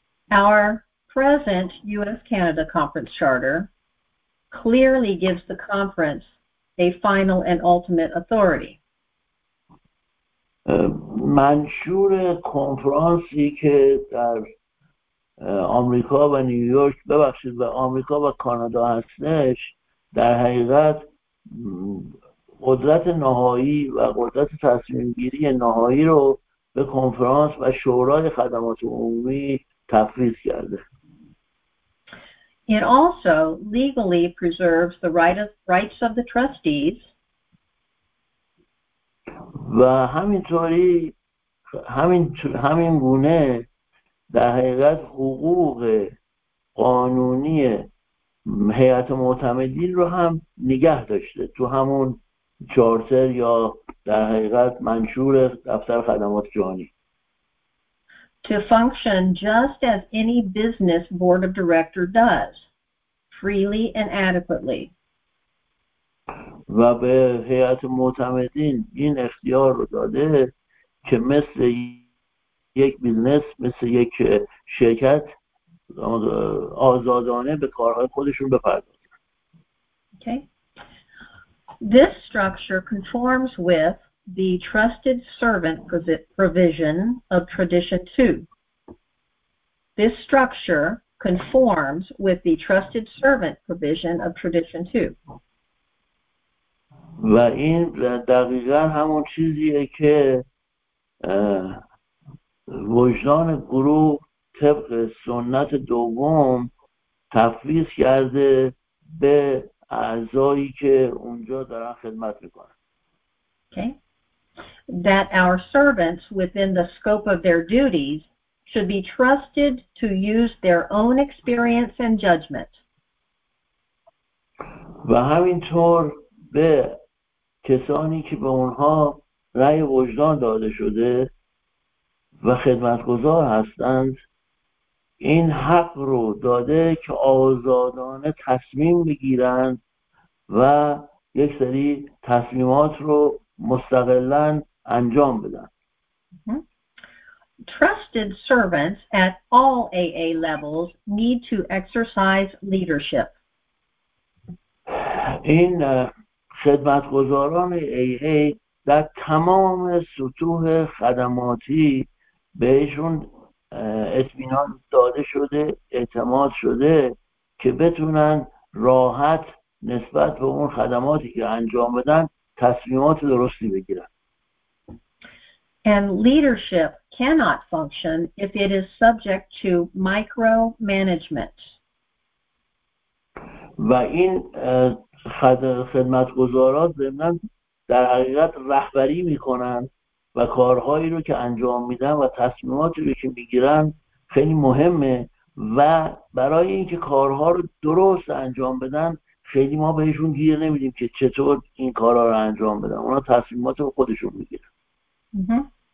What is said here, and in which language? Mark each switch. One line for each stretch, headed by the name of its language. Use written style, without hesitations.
English: Our present US-Canada conference charter clearly gives the conference a final and ultimate authority.
Persian: منشور کنفرانسی که در آمریکا و نیویورک ببخشید و آمریکا و کانادا هستش در حقیقت قدرت نهایی و قدرت تصمیم گیری نهایی رو به کنفرانس و شورای خدمات عمومی تفویض کرده.
English: It also legally preserves the rights of the trustees.
Persian: و همین گونه در حقیقت حقوق قانونی هیئت معتمدین رو هم نگه داشته تو همون چارتر یا در حقیقت منشور دفتر خدمات جهانی.
English: To function just as any business board of director does, freely and adequately.
Persian: و به هیئت معتمدین این اختیار رو داده که مثل یک بیزنس، مثل یک شرکت آزادانه به کارهای خودشون بپردازه.
English: Okay. This structure conforms with the trusted servant provision of tradition 2. This structure conforms with the trusted servant provision of tradition 2.
Persian: و این دقیقا همون چیزیه که وجدان گروه طبق سنت دوم تفویض کرده به اعضایی که اونجا دارن خدمت میکنن.
English: Okay. That our servants within the scope of their duties should be trusted to use their own experience and judgment.
Persian: و همینطور به کسانی که به اونها رأی وجدان داده شده و خدمتگزار هستند این حق رو داده که آزادانه تصمیم بگیرند و یک سری تصمیمات رو مستقلن انجام بدن.
English: Trusted servants at all AA levels need to exercise leadership.
Persian: این خدمتگزاران AA در تمام سطوح خدماتی بهشون اطمینان داده شده، اعتماد شده که بتونن راحت نسبت به اون خدماتی که انجام بدن تصمیمات درستی بگیرن.
English: And leadership cannot function if it is subject to micromanagement.
Persian: و این خدمتگزارات ضمناً در حقیقت رهبری میکنن و کارهایی رو که انجام میدن و تصمیماتی رو که میگیرن خیلی مهمه و برای اینکه کارها رو درست انجام بدن خیلی ما بهشون گیر نمیدیم که چطور این کارها رو انجام بدن، اونا تصمیمات رو خودشون میگیرن.